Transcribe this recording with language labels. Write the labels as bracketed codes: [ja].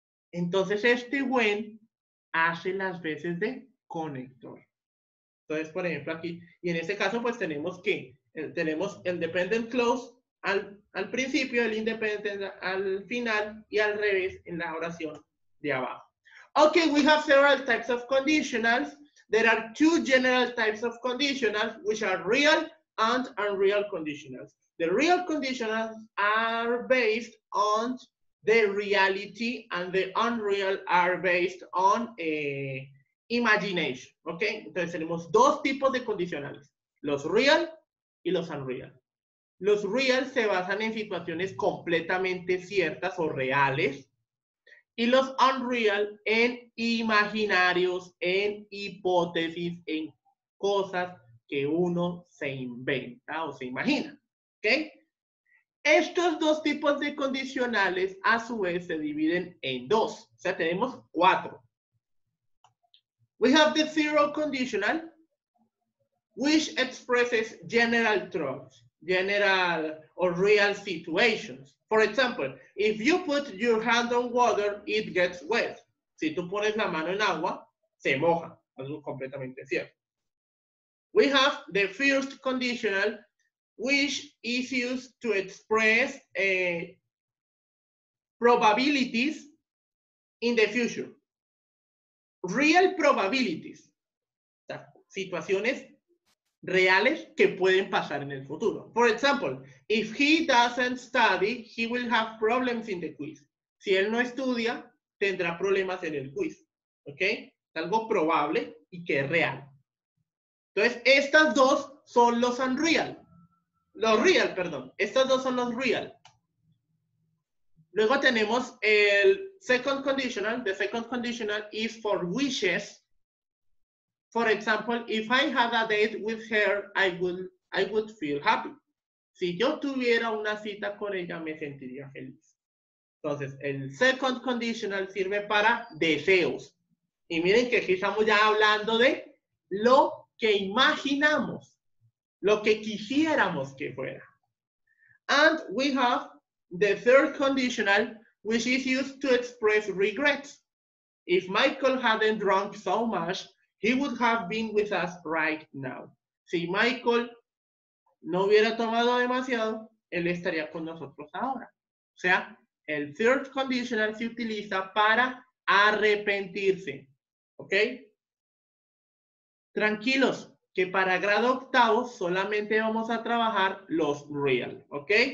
[es] Entonces este when hace las veces de conector. Entonces, por ejemplo, aquí, y en este caso, pues tenemos que, tenemos el dependent clause al principio, el independent al final y al revés en la oración de abajo. [en] Okay, we have several types of conditionals. There are 2 general types of conditionals, which are real and unreal conditionals. The real conditionals are based on the reality and the unreal are based on a imagination, ¿ok? [es] Entonces tenemos 2 tipos de condicionales, los real y los unreal. Los real se basan en situaciones completamente ciertas o reales, y los unreal en imaginarios, en hipótesis, en cosas que uno se inventa o se imagina, ¿ok? Estos 2 tipos de condicionales a su vez se dividen en 2, o sea, tenemos 4. [en] We have the zero conditional, which expresses general truths, general or real situations. For example, if you put your hand on water, it gets wet. [es] Si tú pones la mano en agua, se moja. Eso es completamente cierto. [en] We have the first conditional, which is used to express probabilities in the future. Real probabilities, [es] o sea, situaciones reales que pueden pasar en el futuro. [en] For example, if he doesn't study, he will have problems in the quiz. [es] Si él no estudia, tendrá problemas en el quiz. ¿Ok? Es algo probable y que es real. Entonces, estas dos son los unreal. Los real, perdón. Estas dos son los real. Luego tenemos el second conditional. [en] The second conditional is for wishes. For example, if I had a date with her, I would feel happy. [es] Si yo tuviera una cita con ella, me sentiría feliz. Entonces, el second conditional sirve para deseos. Y miren que aquí estamos ya hablando de lo que imaginamos, lo que quisiéramos que fuera. [en] And we have the third conditional, which is used to express regrets. If Michael hadn't drunk so much, he would have been with us right now. [es] Si Michael no hubiera tomado demasiado, él estaría con nosotros ahora. O sea, el third conditional se utiliza para arrepentirse. ¿Ok? Tranquilos, que para grado octavo solamente vamos a trabajar los real. ¿Ok?